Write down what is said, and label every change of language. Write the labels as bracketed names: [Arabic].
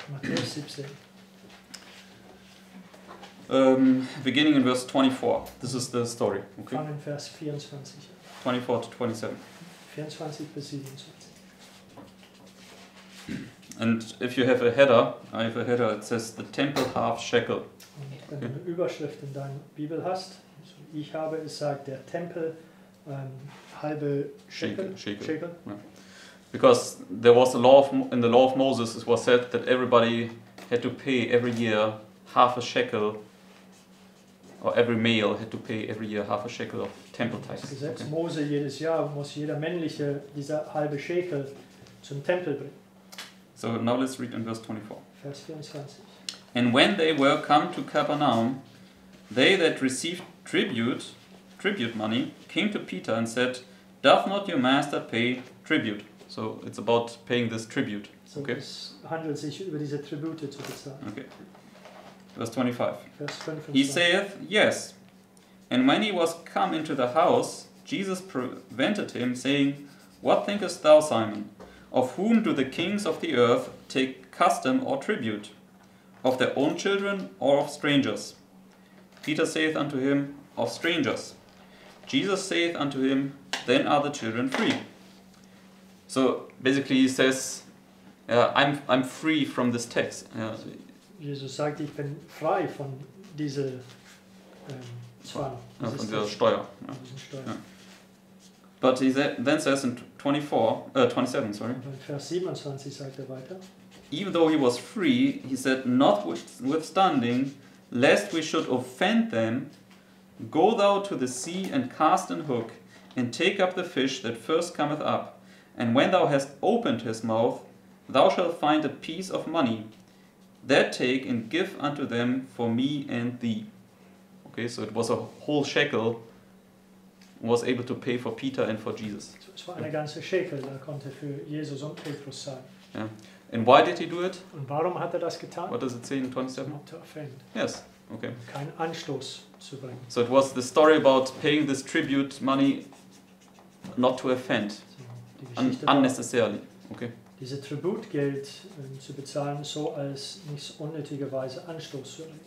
[English] Matthew 17. Beginning in verse 24. This is the story. Okay. [German] Fangen in Vers 24. [English] 24 to 27. [German] 24 bis 27. [English] And if you have a header, I have a header. It says the temple half shekel. [German] Und wenn du eine Überschrift in deiner Bibel hast, so ich habe es sagt der Tempel halbe Shekel. [English] Shekel. Yeah. Because there was a law in the law of Moses, it was said that everybody had to pay every year half a shekel, or every male had to pay every year half a shekel of temple tax. [German] Gesetz Mose jedes Jahr muss jeder männliche dieser halbe Shekel zum Tempel bringen. [English] So now let's read in verse 24. [German] Vers 24. [English] And when they were come to Capernaum, they that received tribute money came to Peter and said, "Doth not your master pay tribute?" So it's about paying this tribute. So okay. [German] Es handelt sich über diese Tribute zu bezahlen. [English] Okay. Verse 25. [German] Vers 25. [English] He saith, "Yes." And when he was come into the house, Jesus prevented him, saying, "What thinkest thou, Simon? Of whom do the kings of the earth take custom or tribute? Of their own children or of strangers?" Peter saith unto him, "Of strangers." Jesus saith unto him, "Then are the children free." So basically he says, I'm free from this text. [German] Jesus sagt, ich bin frei von dieser Zwang. Von dieser Steuer. Ja. [English] But he then says in 27. [German] Vers 27 sagt er weiter. [English] Even though he was free, he said, "Notwithstanding, lest we should offend them, go thou to the sea and cast an hook, and take up the fish that first cometh up. And when thou hast opened his mouth, thou shalt find a piece of money. That take and give unto them for me and thee." Okay, so it was a whole shekel was able to pay for Peter and for Jesus. [German] Es war eine ganze Schekel, der konnte für Jesus und Petrus sein. [English] Yeah. And why did he do it? [German] Und warum hat das getan? [English] What does it say in 27? Not to offend. Yes. Okay. [German] Kein Anstoß zu bringen. [English] So it was the story about paying this tribute money not to offend. Unnecessarily, okay. [German] diese Tributgeld zu bezahlen, so als nicht unnötigerweise Anstoß zu erregen.